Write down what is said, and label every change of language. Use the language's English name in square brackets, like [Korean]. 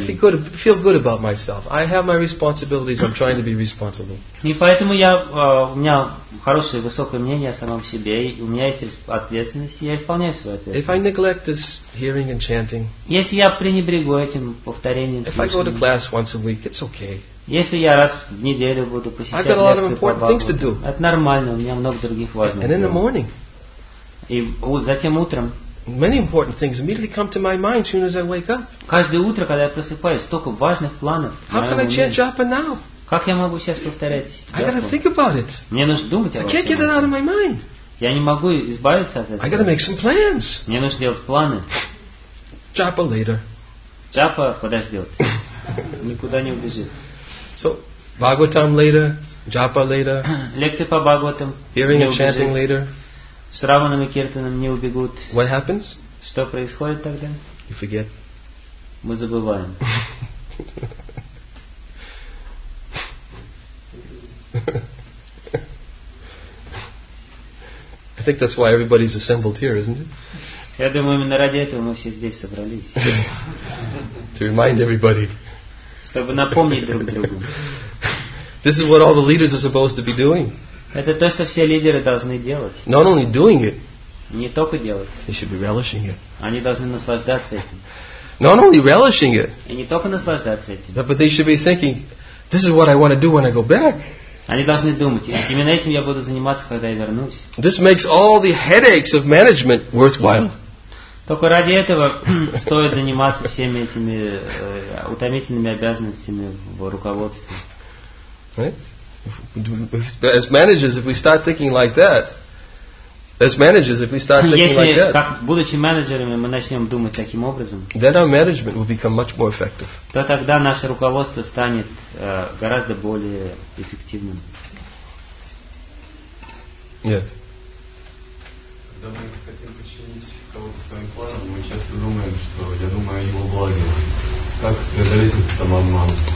[English] I can feel good about myself. I have my responsibilities. I'm trying to be responsible. [Russian] И поэтому я, у меня хорошее, высокое мнение о самом себе, и у меня есть ответственность, и я исполняю свою ответственность. [English] If I neglect this hearing and chanting, [Russian] если я пренебрегу этим повторением, [English] if I go to class once a week, it's okay. [Russian] Если я раз в неделю буду посещать лекции, это нормально, у меня много других важных дел. [English] And in the morning. [Russian] И затем утром. [English] Many important things immediately come to my mind soon as I wake up. [Russian] Каждое утро, когда я просыпаюсь, столько важных планов. [English] How can I chant japa now? [Russian] Как я могу сейчас повторять? [English] I gotta think about it. [Russian] Мне нужно думать об этом. [English] I can't get it out of my mind. [Russian] Я не могу избавиться от этого. [English] I gotta make some plans. [Russian] Мне нужно делать планы. [English] Japa later. [Russian] Japa подождет. Никуда не убежит. [English] So, Bhagavatam later, japa later. [Russian] Лекция по Бхагаватам. [English] Hearing and chanting later. [Russian] С Раваном и Киртаном не убегут. [English] What happens? [Russian] Что происходит тогда? [English] You forget. [Russian] Мы забываем. [English] I think that's why everybody's assembled here, isn't it? [Russian] Я думаю, именно ради этого мы все здесь собрались. [English] To remind everybody. [Russian] Чтобы напомнить друг другу. [English] This is what all the leaders are supposed to be doing. [Russian] Это то, что все лидеры должны делать. [English] Not only doing it. [Russian] Не только делать. [English] They should be relishing it. [Russian] Они должны наслаждаться этим. [English] Not only relishing it. [Russian] И не только наслаждаться этим. [English] But they should be thinking, this is what I want to do when I go back. [Russian] Они должны думать, именно этим я буду заниматься, когда я вернусь. [English] This makes all the headaches of management worthwhile. [Russian] Только ради этого стоит заниматься всеми этими утомительными обязанностями в руководстве. [English] Right? As managers, if we start thinking like that, as managers, if we start thinking like that, [Russian] как, будучи менеджерами, мы начнем думать таким образом, [English] then our management will become much more effective. [Russian] То тогда наше руководство станет гораздо более эффективным. [English] Yes. [Russian] Когда мы хотим подчинить кого-то своим планам, мы часто думаем, что я думаю о его благе. Как преодолеть этот самообман?